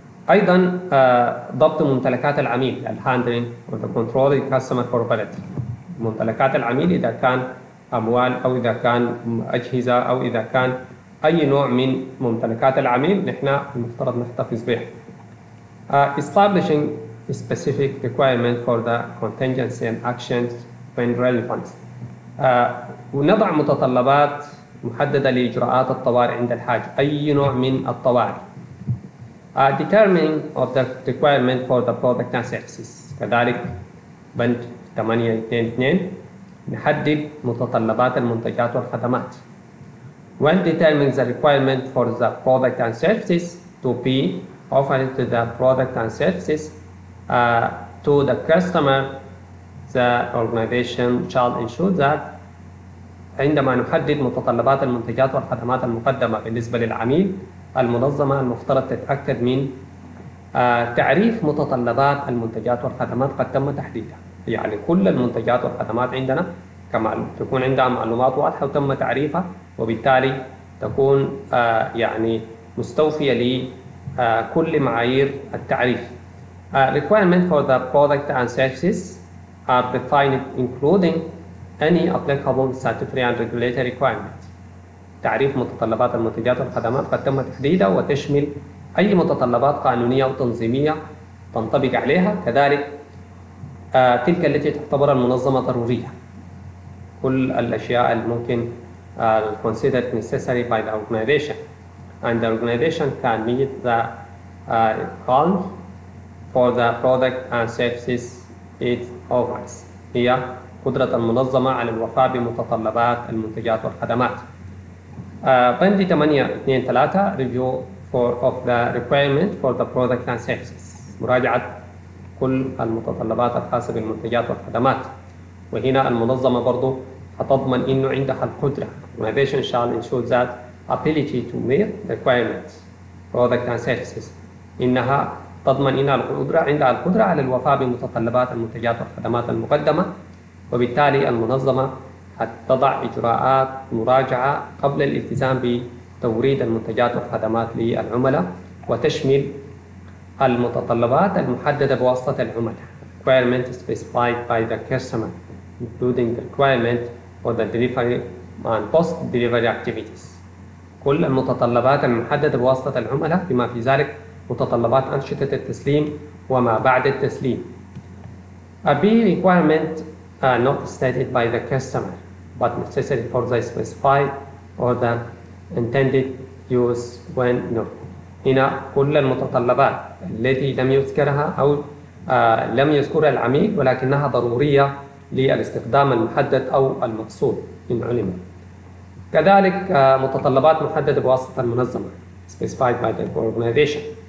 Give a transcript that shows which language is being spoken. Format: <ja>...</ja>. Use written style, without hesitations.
<ar>أيضا ضبط ممتلكات العميل</ar> <en>الـ handling and control of customer property.</en> <ar>ممتلكات العميل إذا كان أموال أو إذا كان أجهزة أو إذا كان أي نوع من ممتلكات العميل نحن المفترض نحتفظ بها.</ar> <en>Establishing specific requirement for the contingency and actions when relevant.</en> <ar>ونضع متطلبات محددة لإجراءات الطوارئ عند الحاجة، أي نوع من الطوارئ.</ar> <en>Determining of the requirement for the product and services.</en> <ar>كذلك بند 8.2.2 نحدد متطلبات المنتجات والخدمات.</ar> <en>When determining the requirement for the product and services to be offered to the product and services to the customer, the organization shall ensure that</en> <ar>عندما نحدد متطلبات المنتجات والخدمات المقدمة بالنسبة للعميل، المنظمة المفترض تتأكد من تعريف متطلبات المنتجات والخدمات قد تم تحديدها. يعني كل المنتجات والخدمات عندنا تكون عندها معلومات واضحة وتم تعريفها وبالتالي تكون يعني مستوفية لي كل معايير التعريف.</ar> <en>Requirement for the product and services are defined including any applicable statutory and regulatory requirement.</en> <ar>تعريف متطلبات المنتجات والخدمات قد تم تحديدها وتشمل أي متطلبات قانونية وتنظيمية تنطبق عليها، كذلك تلك التي تعتبر المنظمة ضرورية. كل الأشياء الممكن</ar> <en>considered necessary by the organization. And the organization can meet the calls for the product and services it offers.</en> <ar>هي قدرة المنظمة على الوفاء بمتطلبات المنتجات والخدمات.</ar> <en>بند 8.2.3 review of the requirement for the product and services.</en> <ar>مراجعة كل المتطلبات الخاصة بالمنتجات والخدمات. وهنا المنظمة برضو هتضمن إنه عندها القدرة.</ar> <en>Organization shall ensure that ability to meet requirements product and services.</en> <ar>إنها تضمن إنها القدرة عندها القدرة على الوفاء بمتطلبات المنتجات والخدمات المقدمة وبالتالي المنظمة هتضع إجراءات مراجعة قبل الالتزام بتوريد المنتجات والخدمات للعملاء وتشمل المتطلبات المحددة بواسطة العملاء</ar> <en>requirements specified by the customer including the requirement for the delivery and post delivery activities.</en> <ar>كل المتطلبات المحددة بواسطة العملاء بما في ذلك متطلبات أنشطة التسليم وما بعد التسليم.</ar> <en>A B requirement not stated by the customer but necessary for the specified or the intended use when not.</en> <ar>هنا كل المتطلبات التي لم يذكرها أو لم يذكرها العميل ولكنها ضرورية للاستخدام المحدد أو المقصود إن علم. كذلك متطلبات محددة بواسطة المنظمة</ar> <en>specified by the organization.</en>